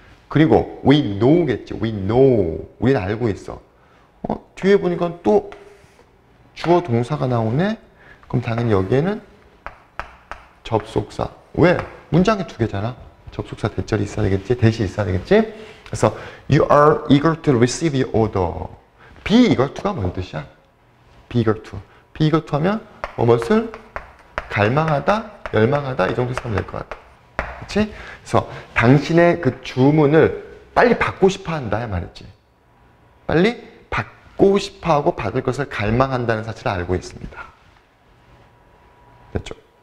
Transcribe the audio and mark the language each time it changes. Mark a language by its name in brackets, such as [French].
[Korean] 그리고 [English] we know겠지. We know. [Korean] 우리는 알고 있어. 어? 뒤에 보니까 또 주어 동사가 나오네? 그럼 당연히 여기에는 접속사. 왜? 문장이 두 개잖아. 접속사 대절이 있어야 되겠지? 대시 있어야 되겠지? 그래서 [English] you are eager to receive your order. be eager to가 [Korean] 뭔 뜻이야? [English] be eager to. be eager to [Korean] 하면 무엇을? 갈망하다, 열망하다 이 정도 쓰면 될 것 같아. 그치? 그래서 당신의 그 주문을 빨리 받고 싶어 한다 말했지. 빨리 받고 싶어 하고 받을 것을 갈망한다는 사실을 알고 있습니다. 됐죠?